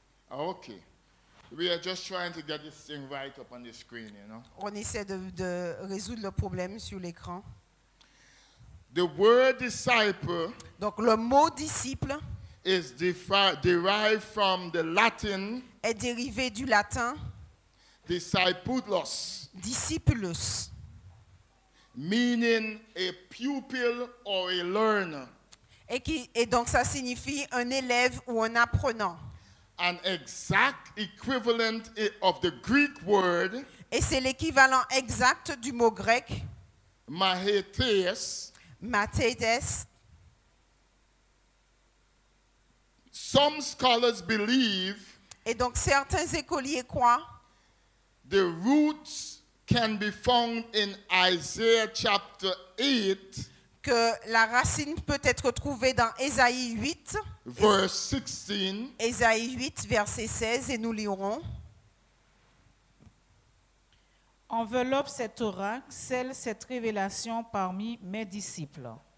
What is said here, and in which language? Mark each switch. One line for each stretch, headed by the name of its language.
English: Okay, we are just trying to get this thing right up on the screen, you know.
French: On essaie de résoudre le problème sur l'écran.
English: The word disciple.
French: Donc le mot disciple.
English: Is derived from the Latin.
French: Est dérivé du latin.
Latin: Discipulos. Discipulus.
English: Meaning a pupil or a learner.
French: Et donc ça signifie un élève ou un apprenant.
English: An exact equivalent of the Greek word.
French: Et c'est l'équivalent exact du mot grec.
Greek: Mathetes. Mathetes.
English: Some scholars believe.
French: Et donc certains écoliers croient.
English: The roots can be found in Isaiah chapter 8.
French: Que la racine peut être trouvée dans Ésaïe 8.
English: Verse 16.
French: Ésaïe 8, verset 16, et nous lirons. Enveloppe cette Torah, scelle cette révélation parmi mes disciples.